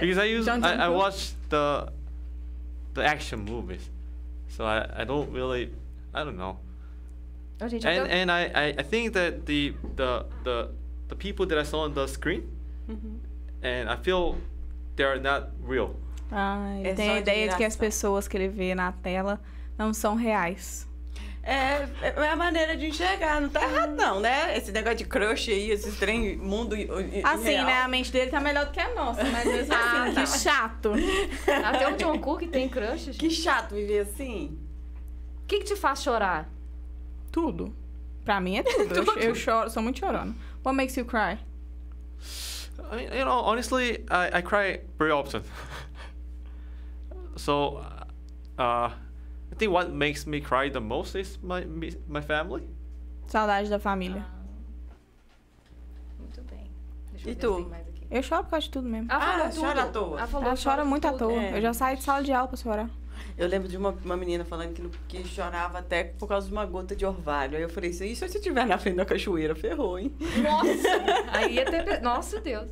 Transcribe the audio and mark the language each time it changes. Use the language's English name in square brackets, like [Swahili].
[English] Because I watch the action movies, so I don't really, I don't know. And I think that the people that I saw on the screen, and I feel they are not real. [Portuguese] Ah, ele tem a ideia de que as pessoas que ele vê na tela não são reais. É a maneira de enxergar, não tá errado não, né? Esse negócio de crush aí, esse trem, mundo assim, irreal. Né? A mente dele tá melhor do que a nossa, mas mesmo assim, que chato. Até o Jungkook tem crush. Que chato viver assim. O que te faz chorar? Tudo. Pra mim é tudo. Tudo. Eu choro, sou muito chorona. [English] What makes you cry? You know, honestly, I cry very often. So, I think what makes me cry the most is my family. [Portuguese] Saudade da família. Muito bem. Deixa e tu? Mais aqui. Eu choro por causa de tudo mesmo. Ela chora tudo. Chora à toa. Ela chora muito tudo. À toa. É. Eu já saí de sala de aula pra chorar. Eu lembro de uma menina falando que chorava até por causa de uma gota de orvalho. Aí eu falei assim, e se você estiver na frente da cachoeira? Ferrou, hein? Nossa! Aí até... Nossa, Deus.